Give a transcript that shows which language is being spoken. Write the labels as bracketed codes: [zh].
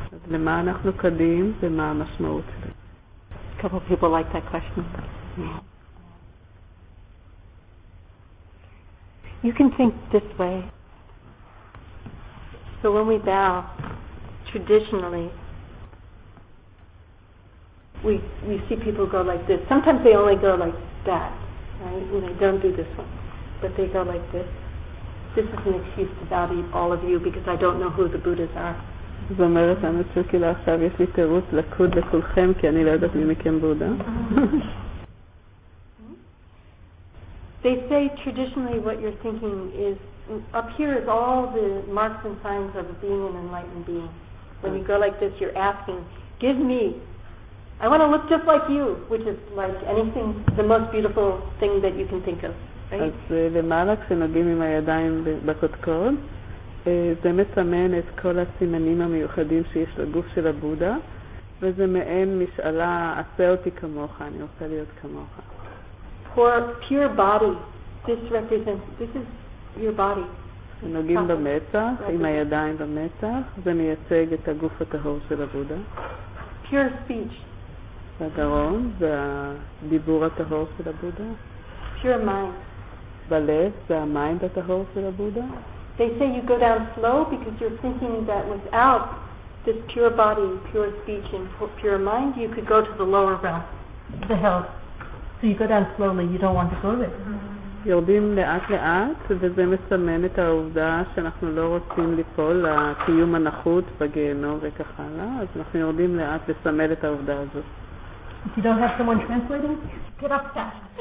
[he] למה אנחנו קדים ומה המשמעות שלה? [en] Couple of people like that question. You can think this way. So when we bow, traditionally, we see people go like this. Sometimes they only go like that, right? And they don't do this one. But they go like this. This is an excuse to bow to all of you because I don't know who the Buddhas are. [he] זאת אומרת, אני צריכה לעכשיו, יש לי תירוץ לקוד לכולכם, כי אני לא יודעת מי מכם בודה. [en] They say traditionally what you're thinking is, up here is all the marks and signs of being an enlightened being. When you go like this, you're asking, give me, I want to look just like you, which is like anything, the most beautiful thing that you can think of. [he] אז למעלה כשנוגעים עם הידיים בקודקוד זה מסמן את כל הסימנים המיוחדים שיש לגוף של הבודה וזה מעין משאלה עשה אותי כמוך, אני רוצה להיות כמוך [en] for pure body this represents this is your body [he] נוגעים במצח, עם הידיים במצח זה מייצג את הגוף הטהור של הבודה [en] pure speech [he] בגרון זה הדיבור הטהור של הבודה [en] pure mind [he] בלב זה המיינד הטהור של הבודה. [en] They say you go down slow because you're thinking that without this pure body, pure speech and pure mind, you could go to the lower realm, the hell. So you go down slowly, you don't want to go there. [he] יורדים לאט לאט וזה מסמן את העובדה שאנחנו לא רוצים ליפול לקיום הנחות בגיהנום וכך הלאה, אז אנחנו יורדים לאט לסמל את העובדה הזאת. [en] If you don't have someone translating, get up fast.